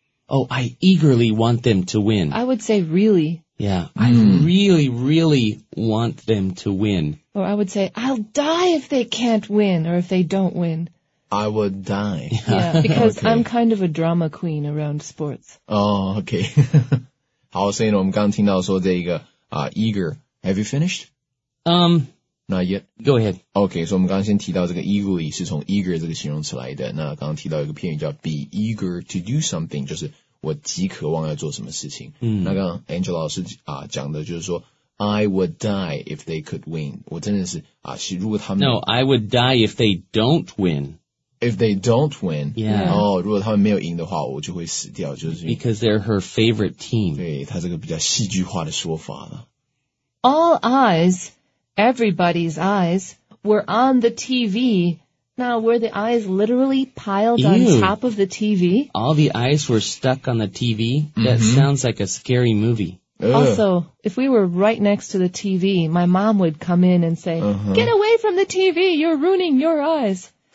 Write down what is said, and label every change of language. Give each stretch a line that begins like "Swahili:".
English: Oh, I eagerly want them to win. I would say really. Yeah, I really, really want them to win. Or I would say, I'll die if they can't win or if they don't win. I would die. Yeah, because okay. I'm kind of a drama queen around sports. Oh, okay.
Chinese: 好，所以呢，我们刚听到说这一个啊、eager.
English: Have you finished? Not yet. Go ahead.
Chinese: Okay, 所以我们刚刚先提到这个 eagerly 是从 eager 这个形容词来的。那刚刚提到一个片语叫
English: be eager to do something,
Chinese: 就是我极渴望要做什么事情。嗯、那刚刚 Angela 老师啊、讲的就是说
English: I would die if they could win.
Chinese: 我真的是啊、是如果他们
English: No, I would die if they don't win. If they don't win, yeah.
Chinese: Oh, 如果他们没有赢的话，我就会死掉，就是
English: Because they're her favorite team.
Chinese: 对，他这个比较戏剧化的说法了。
English: All eyes, everybody's eyes, were on the TV. Now, were the eyes literally piled on top of the TV? All the eyes were stuck on the TV? That sounds like a scary movie. Also, if we were right next to the TV, my mom would come in and say, Get away from the TV, you're ruining your eyes.